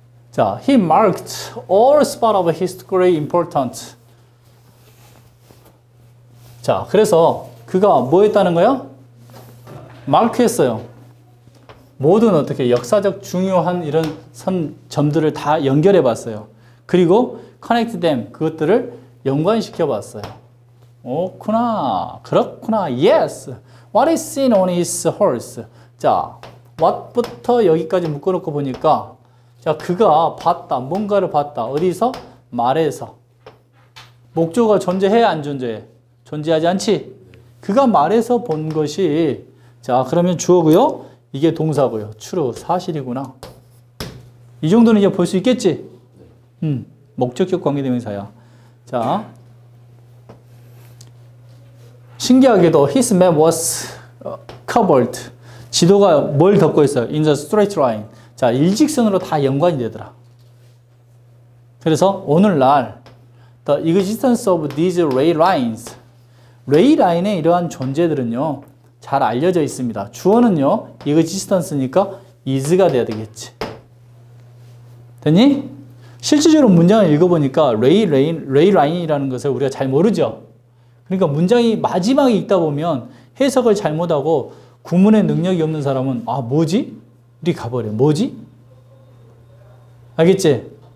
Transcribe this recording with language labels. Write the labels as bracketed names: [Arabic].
[English] 자, he marked all spot of history important. [Korean] 자, 그래서 그가 뭐 했다는 거야? 마크했어요. 모든 어떻게 역사적 중요한 이런 선 점들을 다 연결해 봤어요. 그리고 [English] connect them [Korean] 그것들을 연관시켜 봤어요. 오,구나. 그렇구나. Yes. [English] What is seen on his horse? [Korean] 자, what부터 여기까지 묶어놓고 보니까 자, 그가 봤다. 뭔가를 봤다. 어디서? 말에서. 목적어 존재해야 안 존재해? 존재하지 않지? 그가 말에서 본 것이 자, 그러면 주어고요. 이게 동사고요. true, 사실이구나. 이 정도는 이제 볼 수 있겠지? 목적격 관계대명사야. [English] 자, [Korean] 신기하게도 [English] his map was covered. [Korean] 지도가 뭘 덮고 있어요? [English] In the straight line. [Korean] 자, 일직선으로 다 연관이 되더라. 그래서 오늘날 [English] the existence of these ray lines. [Korean] 레이 라인의 이러한 존재들은요. 잘 알려져 있습니다. 주어는요. existence니까 is가 돼야 되겠지. 됐니? 실질적으로 문장을 읽어보니까 레이 라인이라는 것을 우리가 잘 모르죠. 그러니까 문장이 마지막에 읽다 보면 해석을 잘못하고 구문의 능력이 없는 사람은 아 뭐지? 이리 가버려. 뭐지? 알겠지?